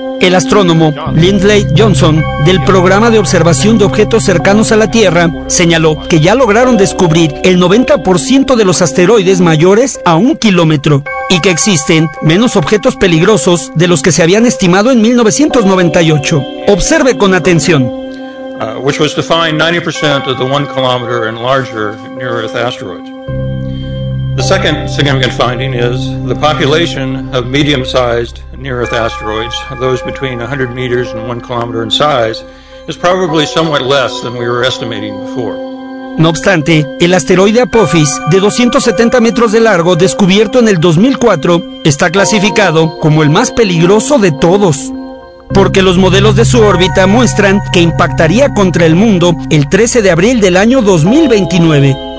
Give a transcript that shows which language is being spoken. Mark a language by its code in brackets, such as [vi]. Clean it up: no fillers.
[es] El astrónomo Lindley Johnson, del Programa de Observación de Objetos Cercanos a la Tierra, señaló que ya lograron descubrir el 90% de los asteroides mayores a un kilómetro y que existen menos objetos peligrosos de los que se habían estimado en 1998. Observe con atención. [en] Which was to find 90% of the 1 kilometer and larger near Earth asteroid. The second significant finding is the population of medium-sized near-Earth asteroids, those between 100 meters and 1 kilometer in size, is probably somewhat less than we were estimating before. [es] No obstante, el asteroide Apophis, de 270 metros de largo, descubierto en el 2004, está clasificado como el más peligroso de todos, porque los modelos de su órbita muestran que impactaría contra el mundo el 13 de abril del año 2029.